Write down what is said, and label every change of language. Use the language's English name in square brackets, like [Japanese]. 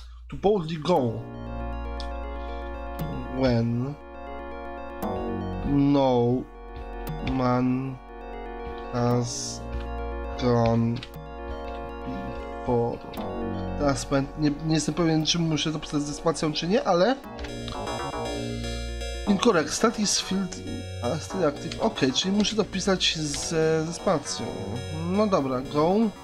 [English] To boldly go when no man has gone before. [Polish] Teraz nie jestem pewien, czy muszę to pisać ze spacją, czy nie, ale... [English] Incorrect. Stat is filled as still active. [Polish] Ok, czyli muszę to pisać ze spacją. No dobra, go.